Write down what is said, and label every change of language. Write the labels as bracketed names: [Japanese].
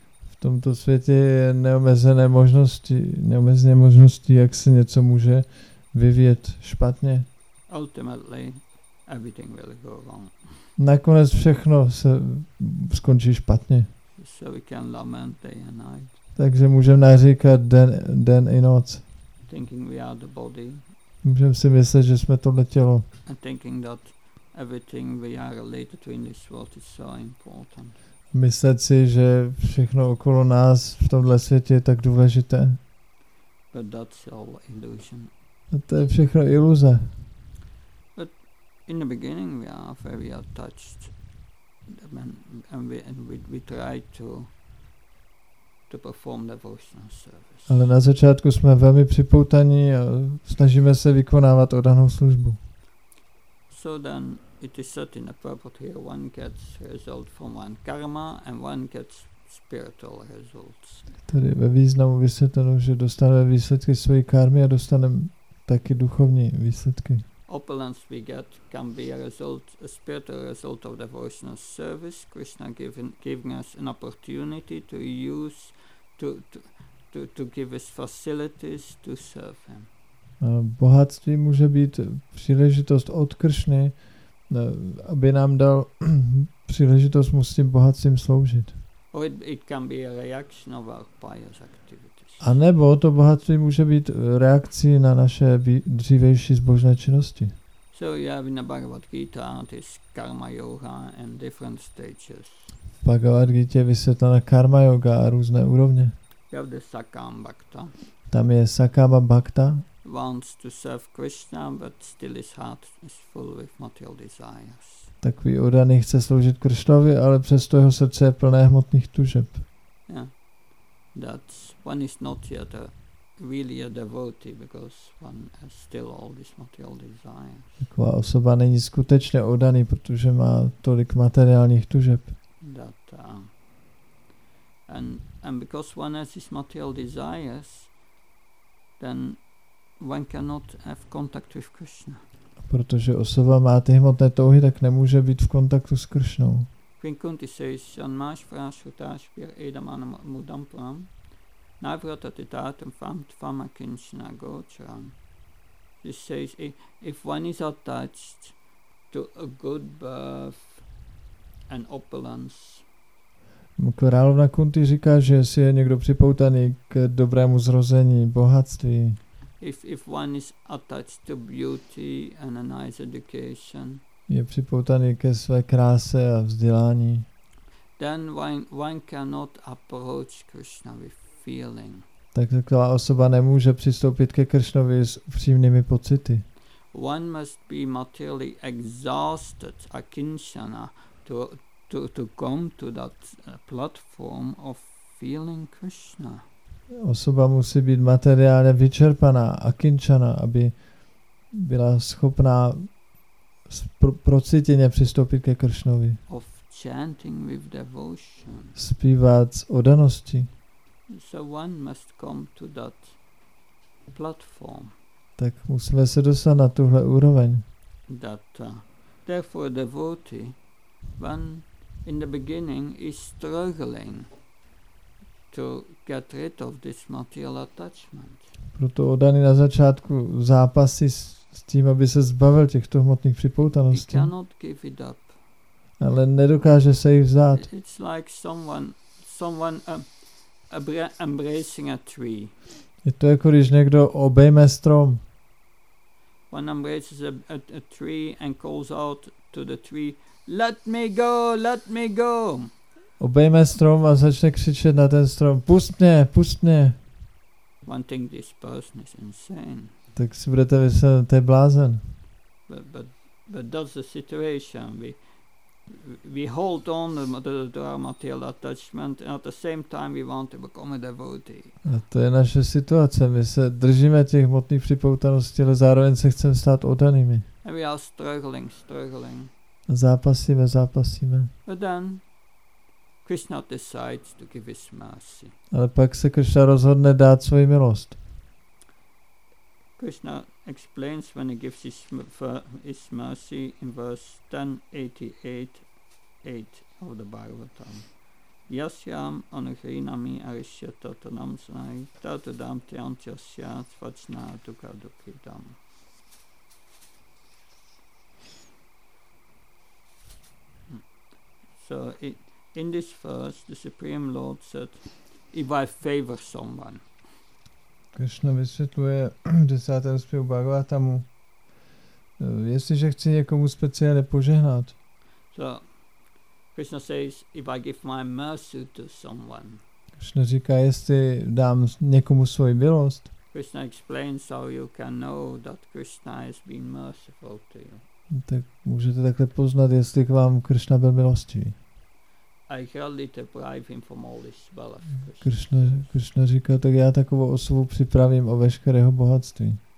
[Czech] V tomto světě je neomezené možnosti, jak se něco může vyvíjet špatně. [English] Ultimately, everything will go wrong. [Czech] Nakonec všechno se skončí špatně. [English] So we can lament day and night. [Czech] Takže můžeme naříkat den i noc. [English] Thinking we are the body. [Czech] Můžeme si myslet, že jsme tohle tělo. [English] And thinking that everything we are related to in this world is so important. [Czech] Myslet si, že všechno okolo nás v tomhle světě je tak důležité. [English] But that's all illusion. [Czech] A to je všechno iluze. [English] In the beginning we are very attached and we try to perform devotional service. [Czech] Ale na začátku jsme velmi připoutaní a snažíme se vykonávat oddanou službu. [English] So then it is said in the purport here, one gets result from one karma and one gets spiritual results. [Czech] Tady ve významu vysvětleno, že dostane výsledky své karmy a dostane taky duchovní výsledky. [English] Opulence we get can be a spiritual result of devotional service. Krishna giving us an opportunity to use to give us facilities to serve him. [Czech] Bohatství může být příležitost od Krishny, aby nám dal příležitost mu s tím bohatstvím sloužit. [English] Or it can be a reaction of our pious activity. [Czech] A nebo to bohatství může být reakcí na naše dřívější zbožné činnosti. [English] So yeah, in the Bhagavad Gita, this karma yoga and different stages. [Czech] V Bhagavad Gita je vysvětlena karma yoga a různé úrovně. [English] Yeah, the Sakama Bhakta. [Czech] Tam je Sakama Bhakta. [English] Wants to serve Krishna, but still his heart is full with material desires. [Czech] Takový oddaný chce sloužit Krishnovi, ale přesto jeho srdce je plné hmotných tužeb. [English] Yeah. That's one is not yet really a devotee because one has still all these material desires. [Czech] Taková osoba není skutečně oddaný, protože má tolik materiálních tužeb. [English] That, and because one has these material desires, then one cannot have contact with Krishna. [Czech] A protože osoba má ty hmotné touhy, tak nemůže být v kontaktu s Krishnou. [English] Queen Kunti says, "Anmash prashutash pir edamana mudampram, navratatitatam famtfama kinshna gocharam." She says, if one is attached to a good birth and opulence, [Czech] Královna Kunti říká, že jestli je někdo připoutaný k dobrému zrození, bohatství. [English] If one is attached to beauty and a nice education. [Czech] Je připoutaný ke své kráse a vzdělání. [English] Then one cannot approach Krishna with feeling. [Czech] Tak taková osoba nemůže přistoupit ke Kršnovi s upřímnými pocity. [English] One must be materially exhausted akinshana to come to that platform of feeling Krishna. [Czech] Osoba musí být materiálně vyčerpaná akinshana, aby byla schopná procitěně přistoupit ke Kršnovi. [English] Of chanting with devotion. [Czech] Zpívat s oddaností. [English] So one must come to that platform. [Czech] Tak musíme se dostat na tuhle úroveň. [English] That therefore devotee one in the beginning is struggling to get rid of this material attachment. [Czech] Proto oddaný na začátku zápasy s tím, aby se zbavil těchto hmotných připoutaností. [English] He cannot give it up. [Czech] Ale nedokáže se jich vzát. [English] It's like someone embracing a tree. [Czech] Je to jako když někdo obejme strom. [English] One embraces a tree and calls out to the tree, let me go, let me go. [Czech] Obejme strom a začne křičet na ten strom, pust mě, pust mě. [English] One thing this person is insane. [Czech] Tak si budete myslet, to je blázen. [English] But that's the situation. We hold on to our material attachment and at the same time we want to become a devotee. [Czech] A to je naše situace. My se držíme těch hmotných připoutaností, ale zároveň se chceme stát oddanými. [English] And we are struggling. [Czech] Zápasíme. [English] But then Krishna decides to give his mercy. [Czech] Ale pak se Krishna rozhodne dát svoji milost. [English] Krishna explains when he gives his mercy in verse 10:88 of the Bhagavatam. Yasyam anuhrinami arishya tatanam sanai tatadam tyantyasya svachna dukadukhidam. So in this verse the Supreme Lord said, if I favor someone, [Czech] Krishna vysvětluje v 10. zpěvu Bhagavatamu, jestliže chci někomu speciálně požehnat. [English] So, Krishna says, if I give my mercy to someone. [Czech] Krishna říká, jestli dám někomu svoji milost. [English] Krishna explains how you can know that Krishna has been merciful to you. [Czech] Tak můžete takhle poznat, jestli k vám Krishna byl milostivý. [English] I gladly deprive him from all his wealth. [Czech] Krishna říká, tak já takovou osobu připravím o veškerého bohatství.